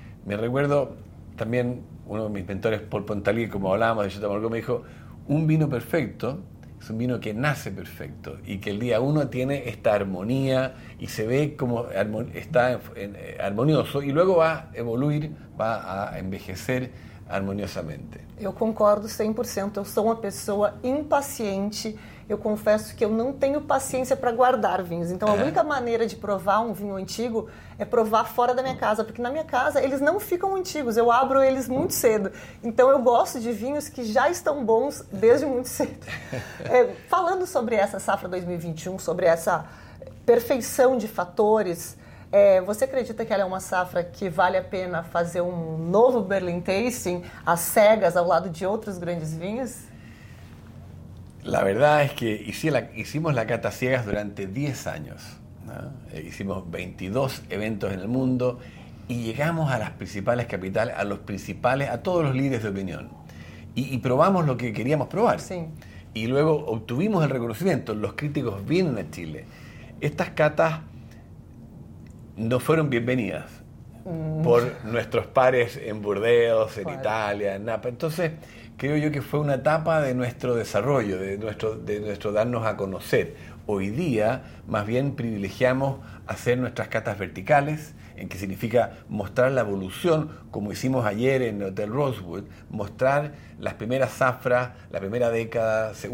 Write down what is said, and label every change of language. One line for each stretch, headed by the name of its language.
Spanish: Me recuerdo también uno de mis mentores, Paul Pontalier, como hablábamos de Chateau Margaux, me dijo, un vino perfecto es un vino que nace perfecto y que el día uno tiene esta armonía y se ve como está armonioso y luego va a evoluir, va a envejecer harmoniosamente.
Portuguese: Eu concordo 100%, eu sou uma pessoa impaciente, eu confesso que eu não tenho paciência para guardar vinhos, então a única maneira de provar um vinho antigo é provar fora da minha casa, porque na minha casa eles não ficam antigos, eu abro eles muito cedo, então eu gosto de vinhos que já estão bons desde muito cedo. Falando sobre essa safra 2021, sobre essa perfeição de fatores, você acredita que ela é uma safra que vale a pena fazer um novo Berlin Tasting às cegas ao lado de outros grandes vinhos? A verdade é que
Spanish: hicimos a cata ciegas durante 10 anos. ¿No? Hicimos
Portuguese: 22 eventos no mundo e chegamos às principais capitais, a todos os líderes de opinião. E provamos o que queríamos provar. Sim. E
Spanish: luego obtuvimos
Portuguese: o reconhecimento. Os críticos vinham a Chile.
Spanish: Estas catas no fueron bienvenidas por nuestros pares en Burdeos, en Italia, en Napa. Entonces, creo yo que fue una etapa de nuestro desarrollo, de nuestro darnos a conocer. hoy día más bien privilegiamos hacer nuestras catas verticales, en que significa mostrar la evolución, como hicimos ayer en el Hotel Rosewood, mostrar las primeras zafras, la primera década,